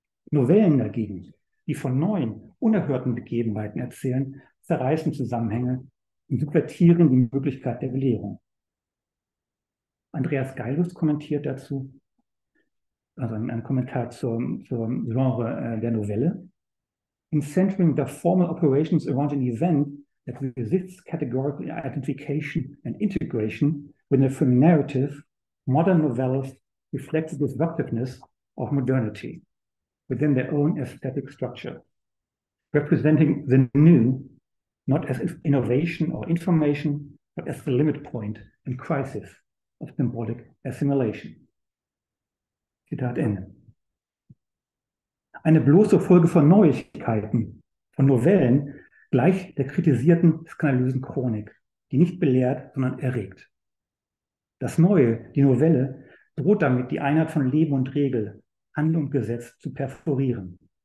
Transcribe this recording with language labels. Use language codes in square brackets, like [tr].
[de] Novellen dagegen, die von neuen, unerhörten Begebenheiten erzählen, zerreißen Zusammenhänge und subvertieren die Möglichkeit der Belehrung. Andreas Geilus kommentiert dazu, also ein Kommentar zum Genre der Novelle. [en] In centering the formal operations around an event that resists categorical identification and integration with a film narrative, modern novellas reflect the disruptiveness of modernity within their own aesthetic structure, representing the new not as innovation or information, but as the limit point and crisis of symbolic assimilation. [de] Zitat Ende. Eine bloße Folge von Neuigkeiten, von Novellen, gleich der kritisierten, skandalösen Chronik, die nicht belehrt, sondern erregt. Das Neue, die Novelle, droht damit, die Einheit von Leben und Regel, Handlung und Gesetz zu perforieren.